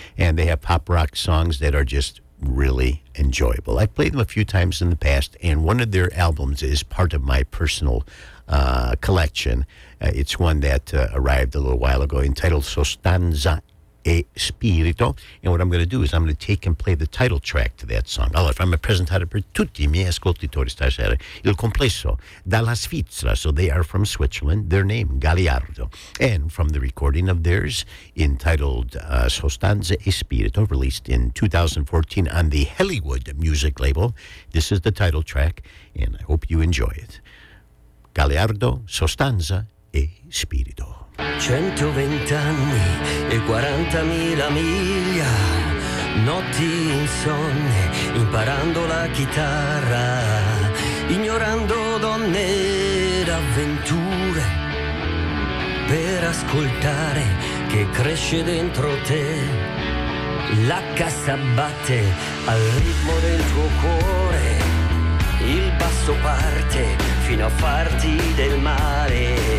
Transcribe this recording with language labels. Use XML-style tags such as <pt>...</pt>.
<en>And they have pop rock songs that are just really enjoyable. I've played them a few times in the past, and one of their albums is part of my personal collection. It's one that arrived a little while ago entitled Sostanza e Spirito. And what I'm going to do is I'm going to take and play the title track to that song.</en> <it>Allora, fammi presentare per tutti I miei ascoltatori stasera il complesso dalla Svizzera.</it> <en>So they are from Switzerland. Their name, Galliardo. And from the recording of theirs entitled Sostanza e Spirito, released in 2014 on the Hollywood Music Label. This is the title track, and I hope you enjoy it. Galliardo, Sostanza e Spirito.</en> <it>120 anni e 40.000 miglia, notti insonne imparando la chitarra, ignorando donne ed avventure, per ascoltare che cresce dentro te, la cassa batte al ritmo del tuo cuore, il basso parte fino a farti del male.</it>